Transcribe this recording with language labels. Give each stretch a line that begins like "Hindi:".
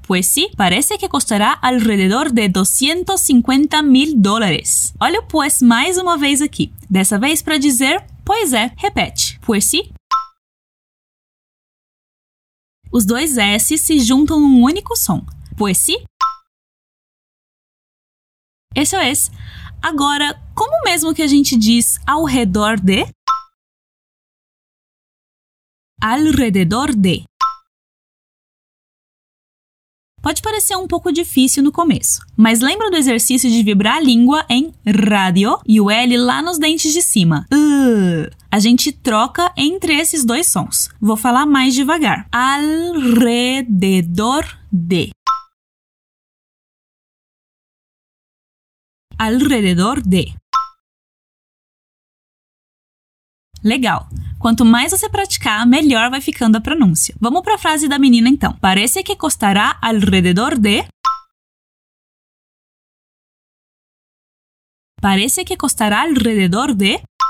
Spanish: Pues sí, parece que costará alrededor de 250 mil dólares.
Portuguese: Olha o pues mais uma vez aqui. Dessa vez para dizer, pois é, repete.
Spanish: Pues sí.
Portuguese: Os dois S se juntam num único som.
Spanish: Pues sí.
Portuguese: Isso é. Agora, como mesmo que a gente diz ao redor de...
Spanish: Alrededor de.
Portuguese: Pode parecer um pouco difícil no começo, mas lembra do exercício de vibrar a língua em rádio e o L lá nos dentes de cima? A gente troca entre esses dois sons. Vou falar mais devagar.
Spanish: Alrededor de. Alrededor de.
Portuguese: Legal. Quanto mais você praticar, melhor vai ficando a pronúncia. Vamos para a frase da menina, então.
Spanish: Parece que costará alrededor de... Parece que costará alrededor de...